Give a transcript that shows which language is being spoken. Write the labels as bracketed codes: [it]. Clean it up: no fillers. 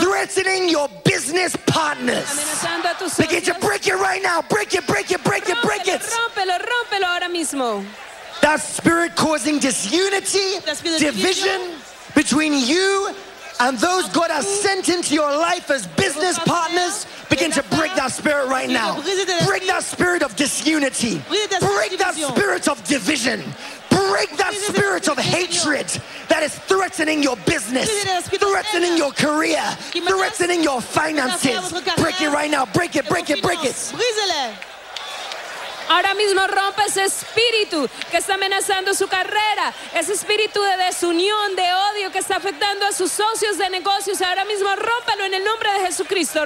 [en] Threatening your business partners. [es] Amenazando a tus socios. [en] Begin to break it right now. Break it, break it, break [es] rompelo, [en] it, break it. [es] Rompelo, rompelo ahora mismo. [en] That spirit causing disunity, division between you and those God has sent into your life as business partners, begin to break that spirit right now. Break that spirit of disunity. Break that spirit of division. Break that spirit of hatred that is threatening your business, threatening your career, threatening your finances. Break it right now. Break it, break it, break it. [es] Ahora mismo rompe ese espíritu que está amenazando su carrera, ese espíritu de desunión, de odio que está afectando a sus socios de negocios. Ahora mismo rómpelo en el nombre de Jesucristo.